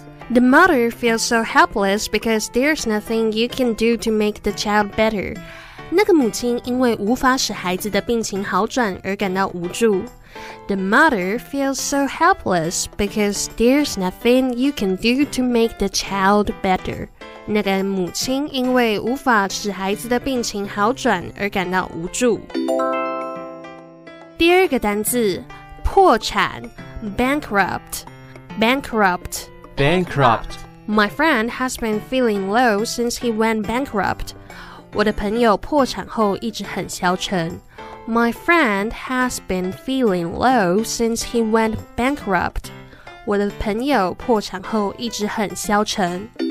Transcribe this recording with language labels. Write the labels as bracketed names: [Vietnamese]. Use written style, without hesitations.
[English] The mother feels so helpless because there's nothing you can do to make the child better。 [Chinese] 那个母亲因为无法使孩子的病情好转而感到无助。 [English] The mother feels so helpless because there's nothing you can do to make the child better。 [Chinese] 那个母亲因为无法使孩子的病情好转而感到无助。第二个单字，破产 ，bankrupt。 [English] My friend has been feeling low since he went bankrupt。 [Chinese] 我的朋友破产后一直很消沉。 [English] My friend has been feeling low since he went bankrupt。 [Chinese] 我的朋友破产后一直很消沉。